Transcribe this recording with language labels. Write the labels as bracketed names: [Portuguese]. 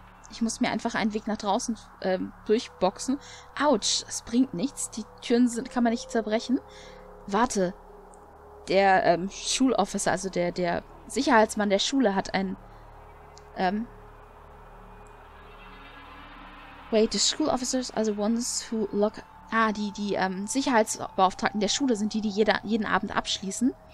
[German] Ich muss mir einfach einen Weg nach draußen durchboxen. Autsch, es bringt nichts. Die Türen kann man nicht zerbrechen. Warte. Der Schulofficer, also der Sicherheitsmann der Schule hat ein. [English] Wait, the school officers are the ones who lock. [German] Ah, die Sicherheitsbeauftragten der Schule sind die, die jeden Abend abschließen.